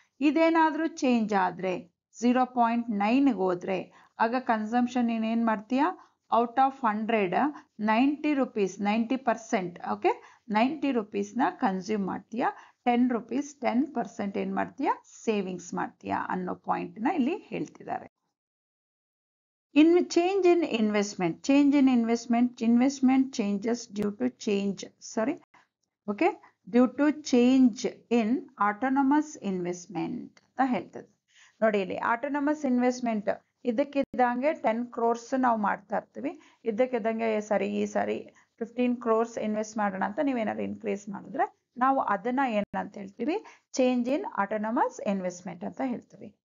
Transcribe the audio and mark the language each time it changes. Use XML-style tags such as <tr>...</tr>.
<kn>ಇದೇನಾದ್ರೂ change ಆದ್ರೆ 0.9 ಹೋದ್ರೆ ಆಗ ಕನ್ಸಂಪ್ಷನ್ ನೀನ್ ಏನ್ ಮಾಡ್ತೀಯ, out of 100 90 rupees, 90%, okay, 90 rupees ನ ಕನ್ಸ್ಯೂಮ್ ಮಾಡ್ತೀಯ, 10 ರುಪೀಸ್, 10% ಏನ್ ಮಾಡ್ತೀಯ, ಸೇವಿಂಗ್ಸ್ ಮಾಡ್ತೀಯ ಅನ್ನೋ ಪಾಯಿಂಟ್ ನ ಇಲ್ಲಿ ಹೇಳ್ತಿದ್ದಾರೆ.</kn> <en>Change in investment. Change in investment. Investment changes due to change. Sorry. Okay. Due to change in autonomous investment. The health.</en> <kn>ನೋಡಿ ಆಟೋನಮಸ್ ಇನ್ವೆಸ್ಟ್ಮೆಂಟ್ ಇದಕ್ಕಿದ್ದಂಗೆ 10 crores ನಾವು ಮಾಡ್ತಾ ಇರ್ತೀವಿ, ಇದ್ದಕ್ಕಿದ್ದಂಗೆ ಸರಿ ಈ ಸಾರಿ 15 crores ಇನ್ವೆಸ್ಟ್ ಮಾಡೋಣ ಅಂತ ನೀವು ಏನಾದ್ರು ಇನ್ಕ್ರೀಸ್ ಮಾಡಿದ್ರೆ ನಾವು ಅದನ್ನ ಏನಂತ ಹೇಳ್ತೀವಿ, ಚೇಂಜ್ ಇನ್ ಆಟೋನಮಸ್ ಇನ್ವೆಸ್ಟ್ಮೆಂಟ್ ಅಂತ ಹೇಳ್ತೀವಿ.</kn>